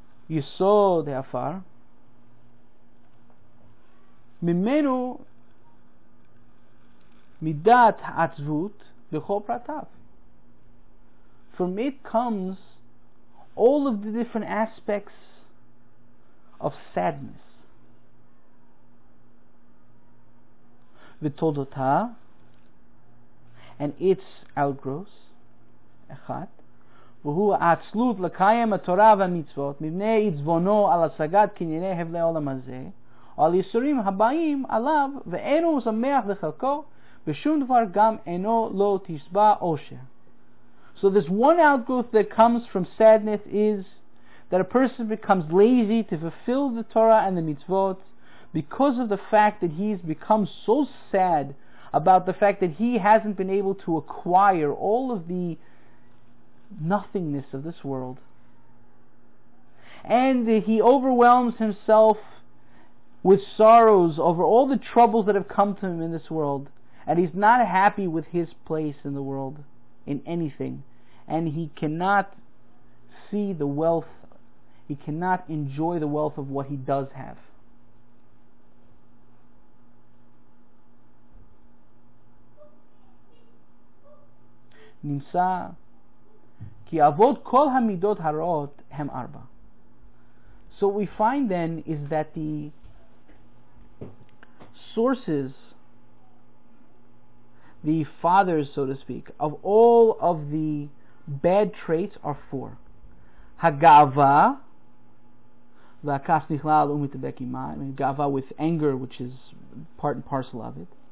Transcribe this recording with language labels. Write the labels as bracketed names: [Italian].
[Hebrew] Yisod ha'afar, mimenu midat ha'atzvut b'chol pratav. [English] From it comes all of the different aspects of sadness. [Hebrew] V'todota, [English] and its outgrowths, [Hebrew] echat, והוא העצלות לקיים התורה והמצוות מבנה עצבונו על השגת כנראה הבלי עולם הזה או על יסורים הבאים עליו ואינו שמח לחלקו בשום דבר גם אינו לא תשבע עושר. [English] So this one outgrowth that comes from sadness is that a person becomes lazy to fulfill the Torah and the mitzvot because of the fact that he has become so sad about the fact that he hasn't been able to acquire all of the nothingness of this world, and he overwhelms himself with sorrows over all the troubles that have come to him in this world, and he's not happy with his place in the world in anything, and he cannot see the wealth, he cannot enjoy the wealth of what he does have. [Hebrew] Nimsa כי אבות כל המידות הרעות הם ארבע. [English] So what we find then is that the sources, the fathers, so to speak, of all of the bad traits are four. [Hebrew] הגאווה, והכעס נכלל ומתאבק עמה, גאווה [English] with anger, which is part and parcel of it.